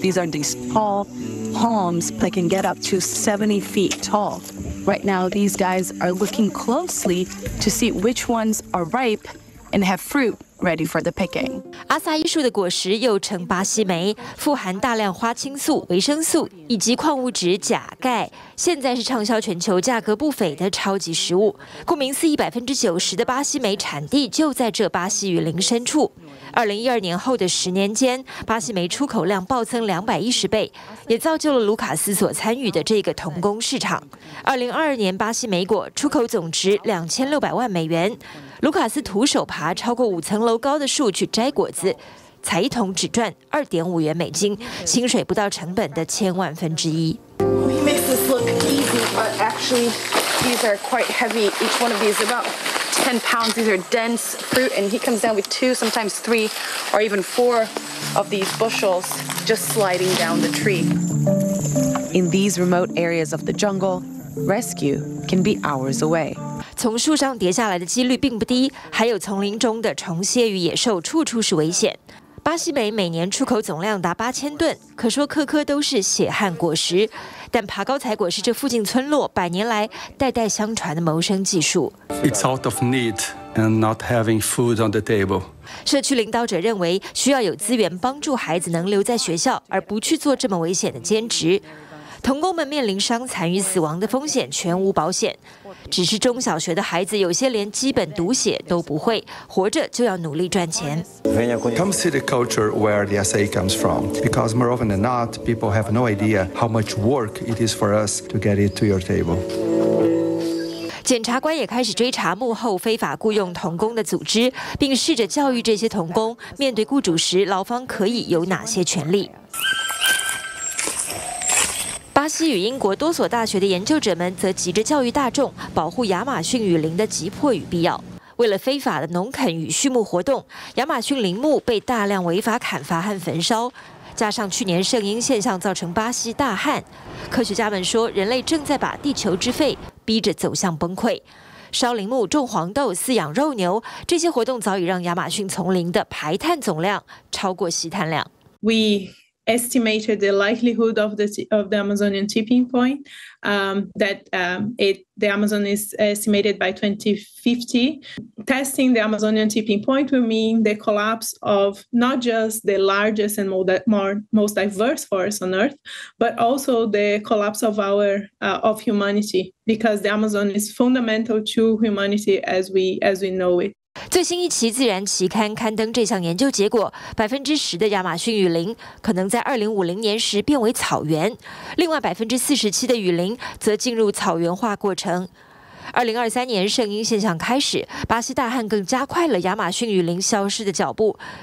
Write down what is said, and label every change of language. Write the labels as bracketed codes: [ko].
[en] These are these tall palms that can get up to 70 feet tall. Right now, these guys are looking closely to see which ones are ripe and have fruit. Ready for the picking. [zh] 阿萨伊树的果实又称巴西莓，富含大量花青素、维生素以及矿物质钾、钙，现在是畅销全球、价格不菲的超级食物。顾名思义，90%的巴西莓产地就在这巴西雨林深处。 2012年后的十年间，巴西莓出口量暴增210倍，也造就了卢卡斯所参与的这个童工市场。 2022年，巴西莓果出口总值2600万美元。卢卡斯徒手爬超过5层楼高的树去摘果子，采一桶只赚$2.5，薪水不到成本的千万分之一。 [en] He makes this look easy, but actually these are quite heavy. Each one of these is about 10 pounds. These are dense fruit, and he comes down with 2, sometimes 3, or even 4 of these bushels just sliding down the tree. In these remote areas of the jungle, rescue can be hours away. [zh] 从树上跌下来的几率并不低，还有丛林中的虫蟹与野兽，处处是危险。巴西莓每年出口总量达8000吨，可说颗颗都是血汗果实。但爬高采果是这附近村落百年来代代相传的谋生技术。 [en] It's out of need and not having food on the table. [zh] 社区领导者认为，需要有资源帮助孩子能留在学校，而不去做这么危险的兼职。童工们面临伤残与死亡的风险，全无保险。只是中小学的孩子，有些连基本读写都不会，活着就要努力赚钱。 [en] Come see the culture where the acai comes from, because more often than not, people have no idea how much work it is for us to get it to your table. [zh] 检察官也开始追查幕后非法雇佣童工的组织，并试着教育这些童工，面对雇主时，劳方可以有哪些权利。巴西与英国多所大学的研究者们则急着教育大众保护亚马逊雨林的急迫与必要。为了非法的农垦与畜牧活动，亚马逊林木被大量违法砍伐和焚烧，加上去年圣婴现象造成巴西大旱，科学家们说人类正在把地球之肺逼着走向崩溃。烧林木、种黄豆、饲养肉牛，这些活动早已让亚马逊丛林的排碳总量超过吸碳量。 [en] Estimated the likelihood of the Amazonian tipping point, the Amazon is estimated by 2050. Testing the Amazonian tipping point will mean the collapse of not just the largest and most diverse forest on Earth, but also the collapse of of humanity, because the Amazon is fundamental to humanity as we know it. [zh] 最新一期《自然》期刊刊登这项研究结果，10%的亚马逊雨林可能在2050年时变为草原，另外47%的雨林则进入草原化过程。 2023年圣婴现象开始，巴西大旱更加快了亚马逊雨林消失的脚步。